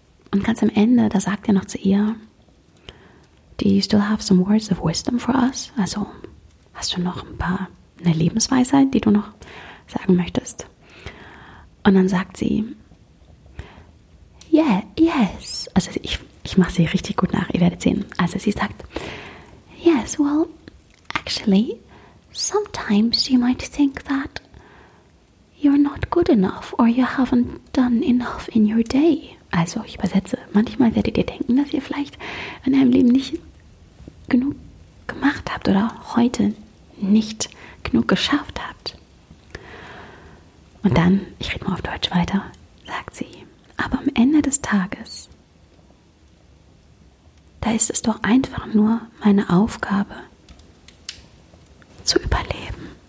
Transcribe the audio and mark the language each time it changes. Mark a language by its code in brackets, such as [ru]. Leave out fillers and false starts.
[de] Und ganz am Ende, da sagt er noch zu ihr, [en] do you still have some words of wisdom for us? [de] Also, hast du noch ein paar, eine Lebensweisheit, die du noch sagen möchtest? Und dann sagt sie, [en] yeah, yes. [de] Also, ich mache sie richtig gut nach, ihr werdet sehen. Also, sie sagt, [en] yes, well, actually, sometimes you might think that you're not good enough or you haven't done enough in your day. [de] Also, ich übersetze, manchmal werdet ihr denken, dass ihr vielleicht in eurem Leben nicht genug gemacht habt oder heute nicht genug geschafft habt. Und dann, ich rede mal auf Deutsch weiter, sagt sie, aber am Ende des Tages, da ist es doch einfach nur meine Aufgabe, zu überleben.